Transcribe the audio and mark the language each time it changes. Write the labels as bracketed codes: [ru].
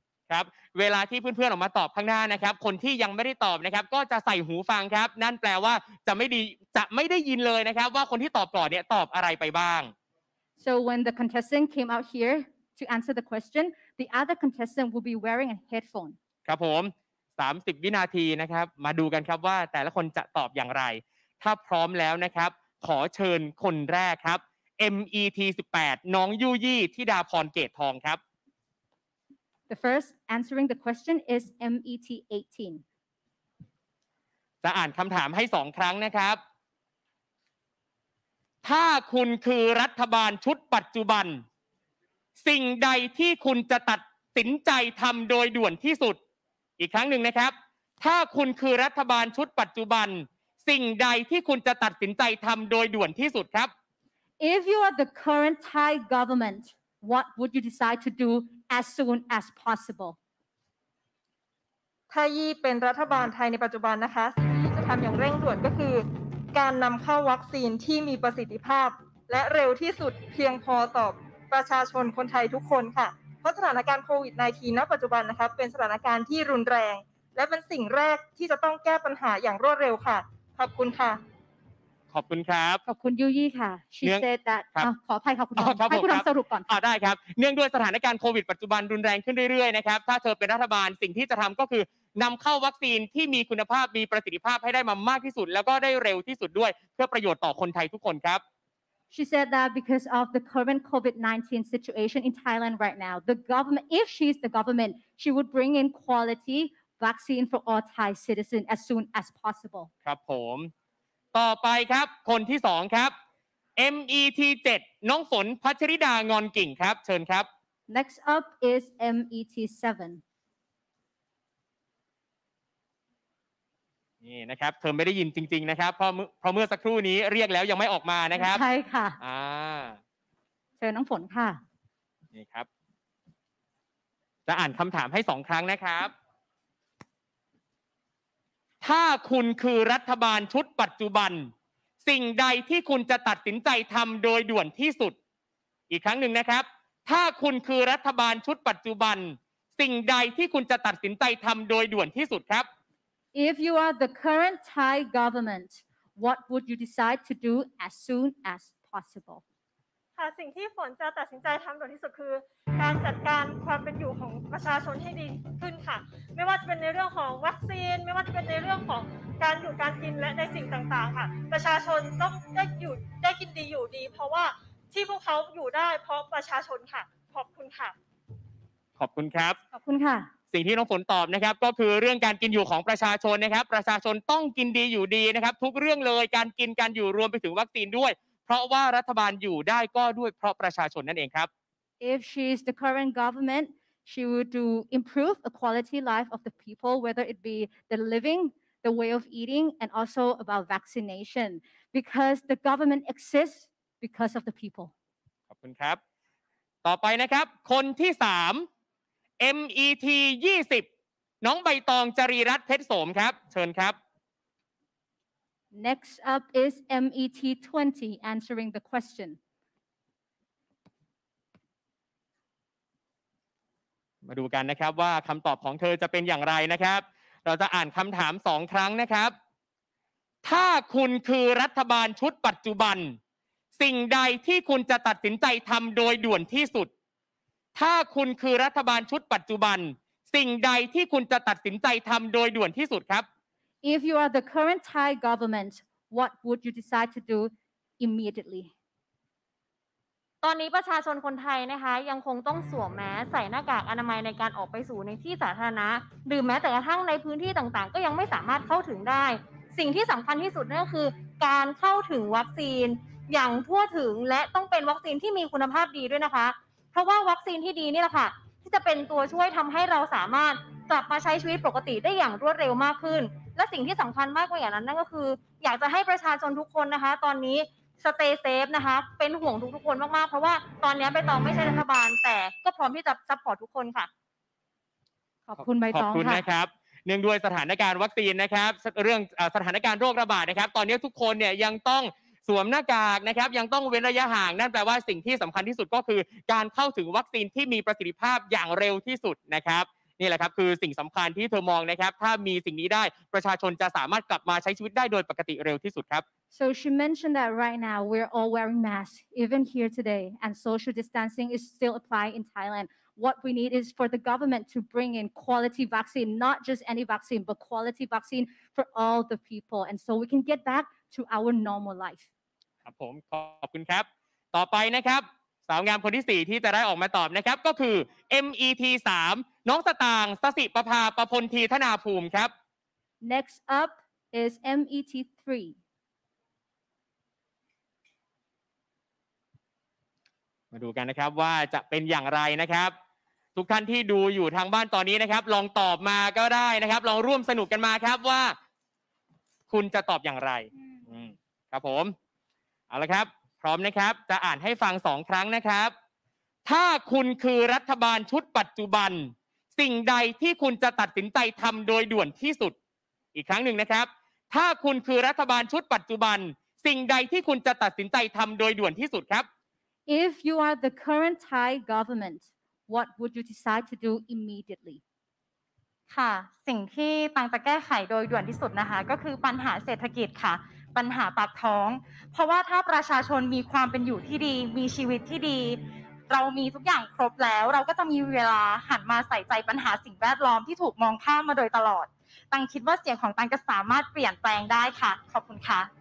[th] ครับเวลาที่เพื่อนๆออกมาตอบข้างหน้านะครับคนที่ยังไม่ได้ตอบนะครับก็จะใส่หูฟังครับนั่นแปลว่าจะไม่ได้ยินเลยนะครับว่าคนที่ตอบก่อนเนี่ยตอบอะไรไปบ้าง [en] So when the contestant came out here to answer the question the other contestant will be wearing a headphone [th] ครับผม30วินาทีนะครับมาดูกันครับว่าแต่ละคนจะตอบอย่างไรถ้าพร้อมแล้วนะครับขอเชิญคนแรกครับ MET 18น้องยู่ยี่ธิดาพรเกตทองครับ [en] The first answering the question is MET 18. [th] จะอ่านคำถามให้2ครั้งนะครับถ้าคุณคือรัฐบาลชุดปัจจุบันสิ่งใดที่คุณจะตัดสินใจทำโดยด่วนที่สุดอีกครั้งหนึ่งนะครับถ้าคุณคือรัฐบาลชุดปัจจุบันสิ่งใดที่คุณจะตัดสินใจทำโดยด่วนที่สุดครับ [en] If you are the current Thai government, what would you decide to do? As soon as possible. [th] ถ้ายี่เป็นรัฐบาลไทยในปัจจุบันนะคะจะทำอย่างเร่งด่วนก็คือการนำเข้าวัคซีนที่มีประสิทธิภาพและเร็วที่สุดเพียงพอต่อประชาชนคนไทยทุกคนค่ะเพราะสถานการณ์โควิด-19 ณปัจจุบันนะคะเป็นสถานการณ์ที่รุนแรงและเป็นสิ่งแรกที่จะต้องแก้ปัญหาอย่างรวดเร็วค่ะขอบคุณค่ะ ขอบคุณครับ ขอบคุณยูยี่ค่ะ [en] She said that [th] ขออภัยค่ะคุณ ครับ ให้คุณทำสรุปก่อน ได้ครับเนื่องด้วยสถานการณ์โควิดปัจจุบันรุนแรงขึ้นเรื่อยๆนะครับถ้าเธอเป็นรัฐบาลสิ่งที่จะทำก็คือนำเข้าวัคซีนที่มีคุณภาพมีประสิทธิภาพให้ได้มามากที่สุดแล้วก็ได้เร็วที่สุดด้วยเพื่อประโยชน์ต่อคนไทยทุกคนครับ [en] She said that because of the current COVID-19 situation in Thailand right now the government if she's the government she would bring in quality vaccine for all Thai citizens as soon as possible [th] ครับผมต่อไปครับคนที่2ครับ MET 7น้องฝนพัชริดางอนกิ่งครับเชิญครับ [en] Next up is MET 7 [th] นี่นะครับเธอไม่ได้ยินจริงๆนะครับเพราะเมื่อสักครู่นี้เรียกแล้วยังไม่ออกมานะครับ ใช่ค่ะเชิญน้องฝนค่ะ นี่ครับจะอ่านคำถามให้2ครั้งนะครับถ้าคุณคือรัฐบาลชุดปัจจุบันสิ่งใดที่คุณจะตัดสินใจทำโดยด่วนที่สุดอีกครั้งหนึ่งนะครับถ้าคุณคือรัฐบาลชุดปัจจุบันสิ่งใดที่คุณจะตัดสินใจทำโดยด่วนที่สุดครับ [en] If you are the current Thai government, what would you decide to do as soon as possible? [th] ค่ะสิ่งที่ฝนจะตัดสินใจทำด่วนที่สุดคือการจัดการความเป็นอยู่ของประชาชนให้ดีขึ้นค่ะไม่ว่าจะเป็นในเรื่องของวัคซีนไม่ว่าจะเป็นในเรื่องของการอยู่การกินและในสิ่งต่างๆค่ะประชาชนต้องได้อยู่ได้กินดีอยู่ดีเพราะว่าที่พวกเขาอยู่ได้เพราะประชาชนค่ะขอบคุณค่ะ ขอบคุณครับ ขอบคุณค่ะ สิ่งที่น้องฝนตอบนะครับก็คือเรื่องการกินอยู่ของประชาชนนะครับประชาชนต้องกินดีอยู่ดีนะครับทุกเรื่องเลยการกินการอยู่รวมไปถึงวัคซีนด้วยเพราะว่ารัฐบาลอยู่ได้ก็ด้วยเพราะประชาชนนั่นเองครับ [en] If she is the current government she would do improve a quality life of the people whether it be the living the way of eating and also about vaccination because the government exists because of the people [th] ขอบคุณครับต่อไปนะครับคนที่3 MET 20น้องใบตองจรีรัตน์เพชรสมครับเชิญครับ [en] Next up is MET 20 answering the question. [th] มาดูกันนะครับว่าคำตอบของเธอจะเป็นอย่างไรนะครับเราจะอ่านคำถาม2ครั้งนะครับถ้าคุณคือรัฐบาลชุดปัจจุบันสิ่งใดที่คุณจะตัดสินใจทำโดยด่วนที่สุดถ้าคุณคือรัฐบาลชุดปัจจุบันสิ่งใดที่คุณจะตัดสินใจทำโดยด่วนที่สุดครับ [en] If you are the current Thai government, what would you decide to do immediately? [th] ตอนนี้ประชาชนคนไทยนะคะยังคงต้องสวมแมสใส่หน้ากากอนามัยในการออกไปสู่ในที่สาธารณะหรือแม้แต่กระทั่งในพื้นที่ต่างๆก็ยังไม่สามารถเข้าถึงได้ สิ่งที่สำคัญที่สุดนั่นก็คือการเข้าถึงวัคซีนอย่างทั่วถึงและต้องเป็นวัคซีนที่มีคุณภาพดีด้วยนะคะเพราะว่าวัคซีนที่ดีนี่แหละค่ะที่จะเป็นตัวช่วยทำให้เราสามารถกลับมาใช้ชีวิตปกติได้อย่างรวดเร็วมากขึ้นและสิ่งที่สำคัญมากกว่าอย่างนั้นนั่นก็คืออยากจะให้ประชาชนทุกคนนะคะตอนนี้ [en] stay safe [th] นะคะเป็นห่วงทุกๆคนมากๆเพราะว่าตอนนี้ใบตองไม่ใช่รัฐบาลแต่ก็พร้อมที่จะซัพพอร์ตทุกคนค่ะ ขอบคุณใบตอง ขอบคุ ณนะครับเนื่องด้วยสถานการณ์วัคซีนนะครับเรื่องสถานการณ์โรคระบาดนะครับตอนนี้ทุกคนเนี่ยยังต้องสวมหน้ากากนะครับยังต้องเว้นระยะห่างนั่นแปลว่าสิ่งที่สำคัญที่สุดก็คือการเข้าถึงวัคซีนที่มีประสิทธิภาพอย่างเร็วที่สุดนะครับนี่แหละครับคือสิ่งสำคัญที่เธอมองนะครับถ้ามีสิ่งนี้ได้ประชาชนจะสามารถกลับมาใช้ชีวิตได้โดยปกติเร็วที่สุดครับ [en] So she mentioned that right now we're all wearing masks even here today and social distancing is still applied in Thailand what we need is for the government to bring in quality vaccine not just any vaccine but quality vaccine for all the people and so we can get back to our normal life [th] ครับผมขอบคุณครับต่อไปนะครับสาวงามคนที่4ที่จะได้ออกมาตอบนะครับก็คือ MET 3น้องสตางค์สสิประภาประพลทีธนาภูมิครับ [en] Next up is MET 3 [th] มาดูกันนะครับว่าจะเป็นอย่างไรนะครับทุกท่านที่ดูอยู่ทางบ้านตอนนี้นะครับลองตอบมาก็ได้นะครับลองร่วมสนุกกันมาครับว่าคุณจะตอบอย่างไรครับผมเอาละครับพร้อมนะครับจะอ่านให้ฟัง2ครั้งนะครับถ้าคุณคือรัฐบาลชุดปัจจุบันสิ่งใดที่คุณจะตัดสินใจทำโดยด่วนที่สุดอีกครั้งหนึ่งนะครับถ้าคุณคือรัฐบาลชุดปัจจุบันสิ่งใดที่คุณจะตัดสินใจทำโดยด่วนที่สุดครับ [en] If you are the current Thai government what would you decide to do immediately [th] ค่ะสิ่งที่ตังจะแก้ไขโดยด่วนที่สุดนะคะก็คือปัญหาเศรษฐกิจค่ะปัญหาปากท้องเพราะว่าถ้าประชาชนมีความเป็นอยู่ที่ดีมีชีวิตที่ดีเรามีทุกอย่างครบแล้วเราก็จะมีเวลาหันมาใส่ใจปัญหาสิ่งแวดล้อมที่ถูกมองข้ามมาโดยตลอดตังคิดว่าเสียงของตังจะสามารถเปลี่ยนแปลงได้ค่ะขอบคุณค่ะ